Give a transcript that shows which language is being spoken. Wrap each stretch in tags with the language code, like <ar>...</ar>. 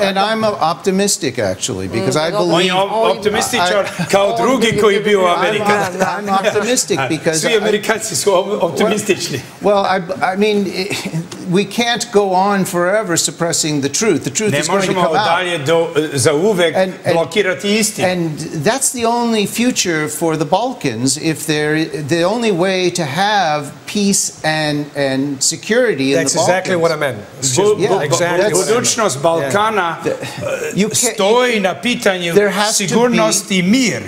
<en>And I'm optimistic, actually, because I believe...</en> <sr>On je optimističar kao drugi koji bio u Amerika.</sr> <en>I'm optimistic because...</en> <sr>Svi Amerikanci su optimistični.</sr> <en>Well, I mean, we can't go on forever suppressing the truth. The truth is going to come out.</en> <sr>Ne možemo dalje za uvek blokirati istinu.</sr> <en>And that's the only future for the Balkans, if they're the only way to have peace and security that's in the exactly Balkans. That's exactly what I meant.</en> <sr>Budućnost Balkana stoji na pitanju sigurnosti i mir.</sr>